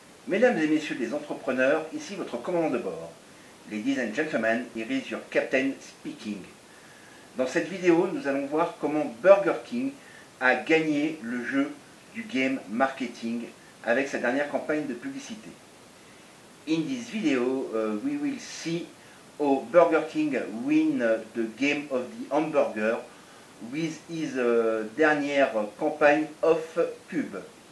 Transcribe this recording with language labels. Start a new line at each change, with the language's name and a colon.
French: Mesdames et messieurs les entrepreneurs, ici votre commandant de bord.
English: Ladies and gentlemen, here is your captain speaking.
French: Dans cette vidéo, nous allons voir comment Burger King a gagné le jeu du game marketing avec sa dernière campagne de publicité.
English: In this video, we will see how Burger King win the game of the hamburger with his
French: dernière campagne
English: of pub.